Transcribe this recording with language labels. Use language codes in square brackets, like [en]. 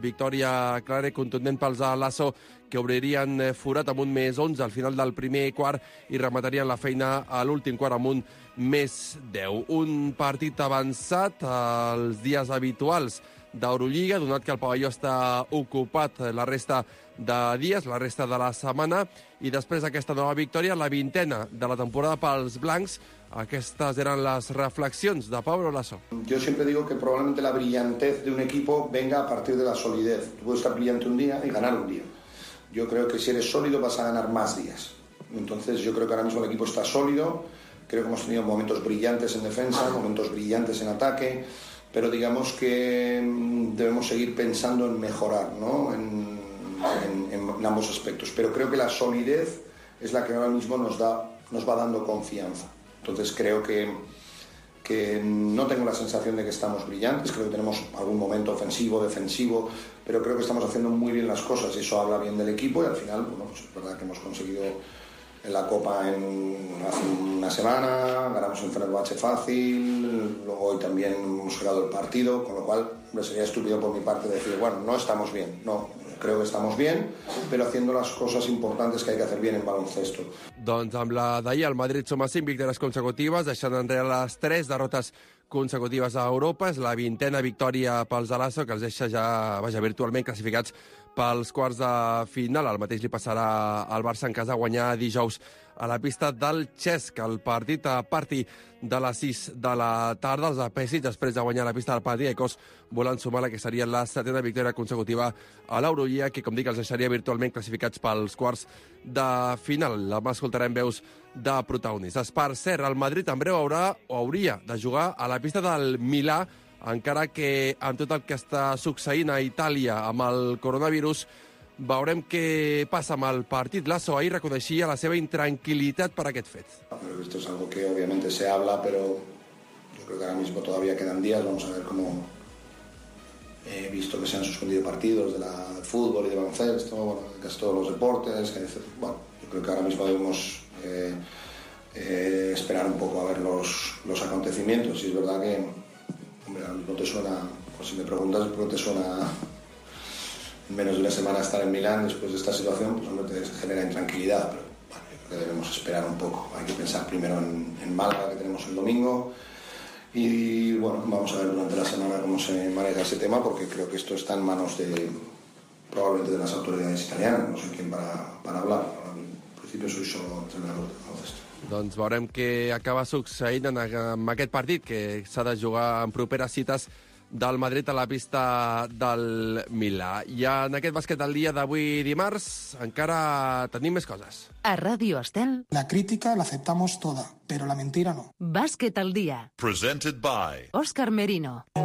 [ca] Victòria clara i contundent pels de Lasso, que obririen forat amb un més 11 al final del primer quart i rematarien la feina a l'últim quart amb un més 10. Un partit avançat als dies habituals d'Eurolliga, donat que el pavelló està ocupat la resta de dies, la resta de la setmana, i després d'aquesta nova victòria, la 20a de la temporada pels blancs. Aquestes eren les reflexions de Pablo Lasso. [es] Yo siempre digo que probablemente la brillantez de un equipo venga a partir de la solidez. Tú puedes estar brillante un día y ganar un día. Yo creo que si eres sólido vas a ganar más días. Entonces yo creo que ahora mismo el equipo está sólido, creo que hemos tenido momentos brillantes en defensa, momentos brillantes en ataque, pero digamos que debemos seguir pensando en mejorar, ¿no? en ambos aspectos. Pero creo que la solidez es la que ahora mismo nos va dando confianza. Entonces creo que no tengo la sensación de que estamos brillantes, creo que tenemos algún momento ofensivo, defensivo, pero creo que estamos haciendo muy bien las cosas y eso habla bien del equipo y al final, bueno, pues es verdad que hemos conseguido la Copa hace una semana, ganamos en Fenerbahce fácil, luego hoy también hemos ganado el partido, con lo cual sería estúpido por mi parte decir, bueno, no estamos bien, no. Creo que estamos bien, pero haciendo las cosas importantes que hay que hacer bien en baloncesto. [ca] Doncs amb la d'ahir, el Madrid suma 5 victòries consecutives, deixant enrere les 3 derrotes consecutives a Europa. És la 20a victòria pels de Lasso, que els deixa ja, vaja, virtualment classificats pels quarts de final. El mateix li passarà al Barça en cas de guanyar dijous a la pista del Xesc. El partit a partir de les 6 de la tarda, els apèssits, després de guanyar la pista del Panathinaikos, volen sumar la que seria la 7a victòria consecutiva a l'Eurolliga, que, com dic, els deixaria virtualment classificats pels quarts de final. Demà escoltarem veus de protagonistes. Per cert, el Madrid en breu hauria de jugar a la pista del Milà, encara que amb tot el que està succeint a Itàlia amb el coronavirus, veurem què passa amb el partit. Lasso ahir reconeixia la seva intranquil·litat per aquest fet. [es] Esto es algo que obviamente se habla, pero yo creo que ahora mismo todavía quedan días. Vamos a ver cómo, he visto que se han suspendido partidos de la fútbol y de baloncesto, bueno, casi todos los deportes. Bueno, yo creo que ahora mismo debemos esperar un poco a ver los acontecimientos. Y es verdad que, hombre, no te suena, pues si me preguntas, ¿por qué te suena menos de una semana estar en Milán después de esta situación? Pues hombre, te genera intranquilidad, pero bueno, yo creo que debemos esperar un poco. Hay que pensar primero en Málaga, que tenemos el domingo. Y bueno, vamos a ver durante la semana cómo se maneja ese tema, porque creo que esto está en manos de, probablemente, de las autoridades italianas. No sé quién para hablar. En principio soy solo entrenador de baloncesto. [ca] Doncs veurem què acaba succeint en aquest partit, que s'ha de jugar en properes cites del Madrid a la pista del Milà. I en aquest bàsquet del dia d'avui dimarts encara tenim més coses. A Radio Estel. [es] La crítica la aceptamos toda, pero la mentira no. [ca] Bàsquet al dia. [en] Presented by Òscar Merino.